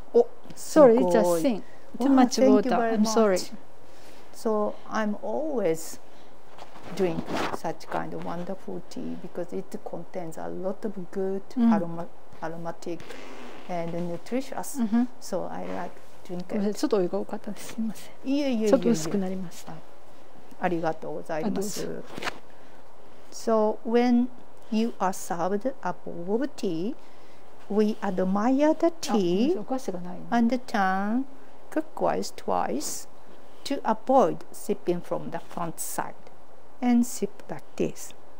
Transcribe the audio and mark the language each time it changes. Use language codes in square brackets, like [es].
[en] Oh, sorry, it's a sink. Too much water. Thank you very much. So I'm always drink such kind of wonderful tea because it contains a lot of good aromatic and nutritious. So I like drink it. [ja] ちょっとお湯が多かったです。すみません。いえ。ちょっと薄くなりました。ありがとうございます。 [en] So when you are served a bowl of tea, we admire the tea and turn clockwise twice to avoid sipping from the front side and sip like this.